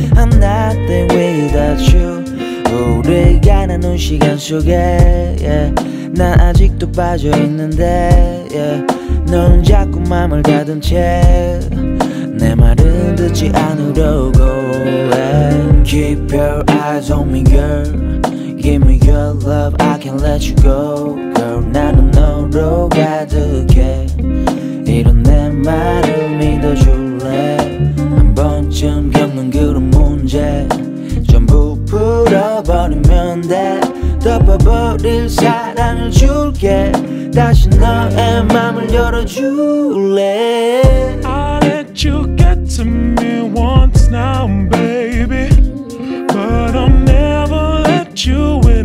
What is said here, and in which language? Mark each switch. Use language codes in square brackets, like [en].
[en] I'm nothing without you. [ko] 우리가 나눈 시간 속에 [en] yeah. [ko] 난 아직도 빠져있는데 yeah. 넌 자꾸 맘을 닫은 채 내 말은 듣지 않으려고 yeah. [en] Keep your eyes on me girl. Give me your love, I can't let you go. [ko] Girl, 나는 너로 가득해. 이런 내 말을 믿어줄래. 한 번쯤 겪는 그런 문제 전부 풀어버리면 돼. 덮어버릴 사랑을 줄게. 다시 너의 맘을 열어줄래. [en] I'll let you get to me once now, baby, but I'm never let you.